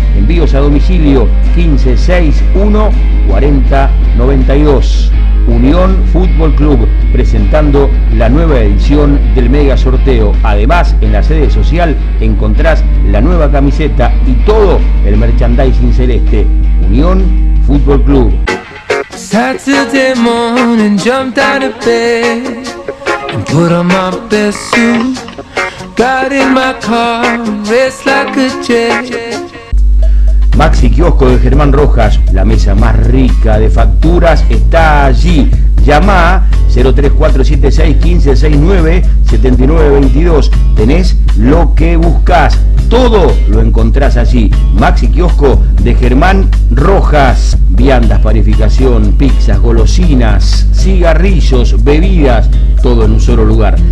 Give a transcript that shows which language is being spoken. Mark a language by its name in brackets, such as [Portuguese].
[Spanish] Envíos a domicilio 1561-4092. Unión Fútbol Club, presentando la nueva edición del Mega Sorteo. Además, en la sede social encontrás la nueva camiseta y todo el merchandising celeste. Unión Fútbol Club. [English] Saturday morning, jumped out of bed and put on my best suit. Got in my car, raced like a jet. [Spanish] Maxi Kiosco de Germán Rojas, la mesa más rica de facturas está allí. Llamá 03476-1569-7922. Tenés lo que buscás. Todo lo encontrás allí. Maxi Kiosco de Germán Rojas. Viandas, panificación, pizzas, golosinas, cigarrillos, bebidas. Todo en un solo lugar.